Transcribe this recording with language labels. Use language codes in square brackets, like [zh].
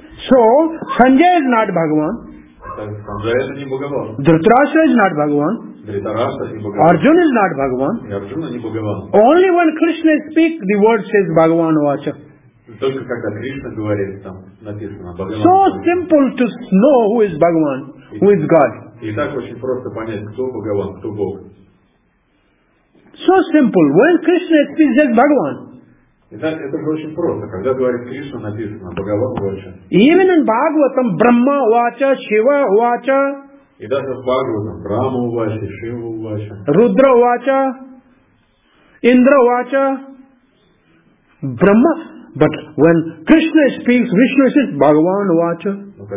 [en] So Sanjay is not Bhagavan. Dhritarashtra is not Bhagavan. Arjuna is not Bhagavan. Only when Krishna speaks, the word says Bhagavan Vacha. So simple to know who is Bhagavan, who is God. [ru] И так очень просто понять, кто Бхагаван, кто Бог. [en] So simple. When Krishna speaks, just Bhagavan. [ru] Итак, это же очень просто. Когда говорит Кришна, написано Бхагаван Вача. [en] Even in Bhagavatam, Brahma Vacha, Shiva Vacha. [ru] И даже в Бхагаватам, Брахма Вача, Шива Вача. Рудра Вача, Индра Вача, Брахма. [en] But when Krishna speaks, Vishnu says Bhagavan Vacha.